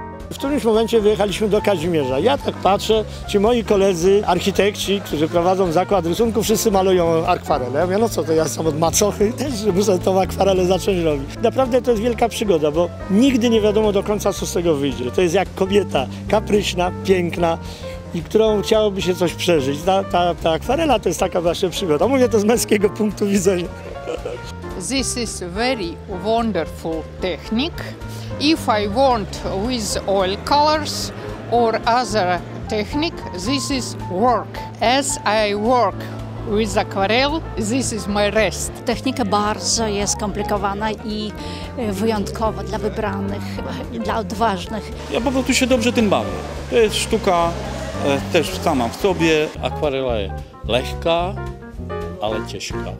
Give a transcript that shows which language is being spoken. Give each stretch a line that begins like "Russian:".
Polish: W którymś momencie wyjechaliśmy do Kazimierza. Ja tak patrzę, ci moi koledzy, architekci, którzy prowadzą zakład rysunku, wszyscy malują akwarele. Ja mówię, no co, to ja sam od macochy też muszę tą akwarelę zacząć robić. Naprawdę to jest wielka przygoda, bo nigdy nie wiadomo do końca, co z tego wyjdzie. To jest jak kobieta, kapryśna, piękna i którą chciałoby się coś przeżyć. Ta akwarela to jest taka właśnie przygoda. Mówię to z męskiego punktu widzenia.
English: This is very wonderful technique. If I want with oil colors or other technique, this is work. As I work with aquarelle, this is my rest.
Polish: Technika bardzo jest skomplikowana i wyjątkowa dla wybranych, dla odważnych. Ja po prostu się dobrze tym bawię. To jest sztuka też sama w sobie. Akwarela jest lekka, ale ciężka.